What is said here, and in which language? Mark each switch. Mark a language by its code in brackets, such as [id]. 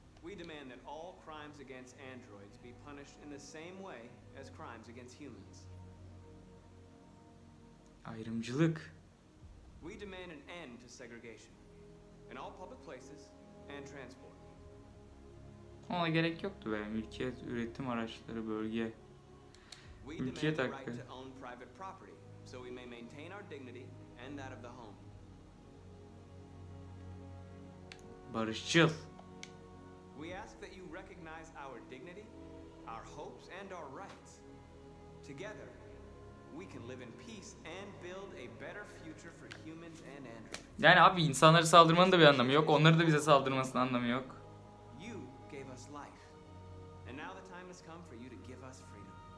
[en] We demand that all crimes against androids be punished in the same way as crimes against humans. [tr] Ayrımcılık. [en] We demand an end to segregation in all public places and transport. [tr] Ona gerek yoktu be. Mülkiyet, üretim araçları, bölge. [en] We demand the right to own private property so we may maintain our dignity and that of the home. [tr] Barışçıl. [en] We ask that you recognize our dignity, our hopes and our rights. Together, we can live in peace and build a better future for humans and androids. [tr] Yani abi insanlara saldırmanın da bir anlamı yok. Onları da bize saldırmasının anlamı yok. [en] You gave us life. And now the time has come for you to give us freedom.